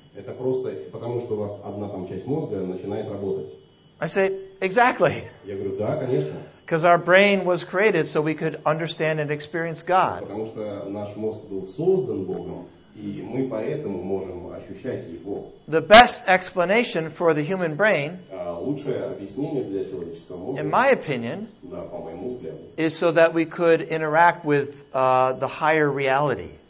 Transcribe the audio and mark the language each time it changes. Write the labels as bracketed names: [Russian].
[Russian] Это просто потому, что у вас одна там часть мозга начинает работать. [English] I say, exactly. [Russian] Я говорю, да, конечно. [English] Because our brain was created so we could understand and experience God. [Russian] Потому что наш мозг был создан Богом, и мы поэтому можем ощущать Его. [English] The best explanation for the human brain, [Russian] лучшее объяснение для человеческого мозга, [English] in my opinion, [Russian] да, по моему взгляду, [English] is so that we could interact with the higher reality.